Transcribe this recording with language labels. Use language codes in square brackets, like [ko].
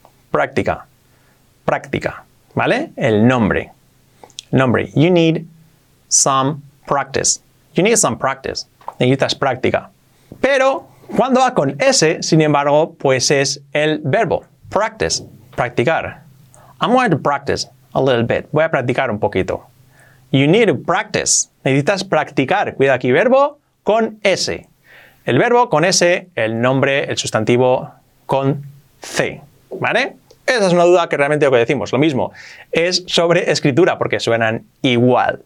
[es] Práctica. Práctica. ¿Vale? El nombre. Nombre. [en] You need some practice. You need some practice. [es] Necesitas práctica. Pero cuando va con S, sin embargo, pues es el verbo. [en] Practice. [es] Practicar. [en] I'm going to practice a little bit. [es] Voy a practicar un poquito. [en] You need practice. [es] Necesitas practicar. Cuida aquí, verbo con S. El verbo con S, el nombre, el sustantivo con C. ¿Vale? Esa es una duda que realmente lo que decimos, lo mismo. Es sobre escritura, porque suenan igual.